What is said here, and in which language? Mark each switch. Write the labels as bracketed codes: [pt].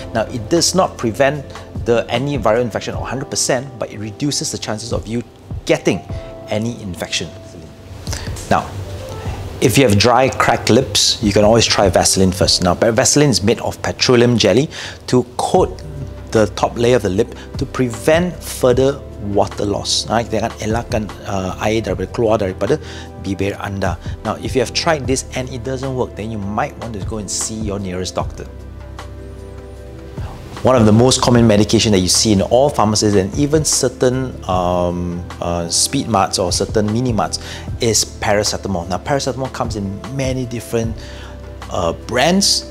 [en] Now it does not prevent any viral infection 100%, but it reduces the chances of you getting any infection. Now if you have dry, cracked lips, you can always try Vaseline first. Now Vaseline is made of petroleum jelly to coat the top layer of the lip to prevent further water loss. Right? [ms] Dia akan elakkan air daripada keluar daripada bibir anda. [en] Now, if you have tried this and it doesn't work, then you might want to go and see your nearest doctor. One of the most common medication that you see in all pharmacies and even certain speed marts or certain mini marts is paracetamol. Now, paracetamol comes in many different brands.